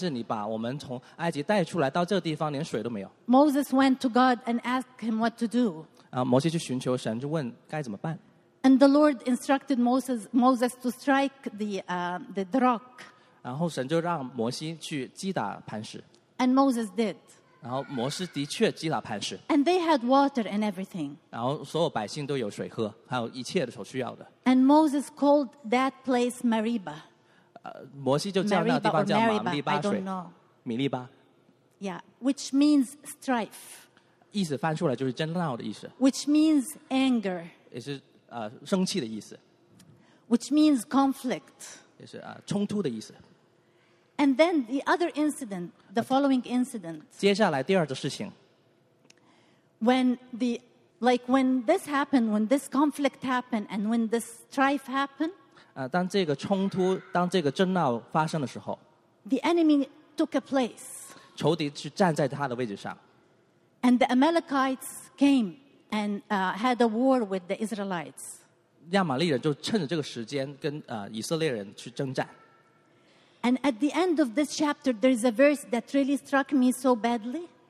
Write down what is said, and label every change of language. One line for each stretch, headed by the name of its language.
Chinese: 我本来我们在埃及什么都有，但是你把我们从埃及带出来到这个地方，连水都没有。
English: Moses went to God and asked him what to do.
Chinese: 摩西去寻求神，就问该怎么办。
English: And the Lord instructed Moses to strike the rock.
Chinese: 然后神就让摩西去击打磐石。
English: And Moses did.
Chinese: 然后摩西的确击打磐石。
English: And they had water and everything.
Chinese: 然后所有百姓都有水喝，还有一切所需要的。
English: And Moses called that place Meribah.
Chinese: 摩西就叫那个地方叫马利巴水，米利巴。
English: Yeah, which means strife.
Chinese: 意思翻出来就是争闹的意思。
English: Which means anger.
Chinese: 也是 生气的意思,
English: which means conflict.
Chinese: 也是, 冲突的意思。
English: And then the other incident, the following incident.
Chinese: 接下来第二个事情,
English: when this happened, when this conflict happened, and when this strife happened,
Chinese: 当这个冲突, 当这个争闹发生的时候,
English: the enemy took a place.
Chinese: 仇敌去站在他的位置上,
English: and the Amalekites came. And had a war with the Israelites.
Chinese: 亚玛力人就趁着这个时间跟以色列人去征战。
English: And at the end of this chapter, there is a verse that really struck me so badly.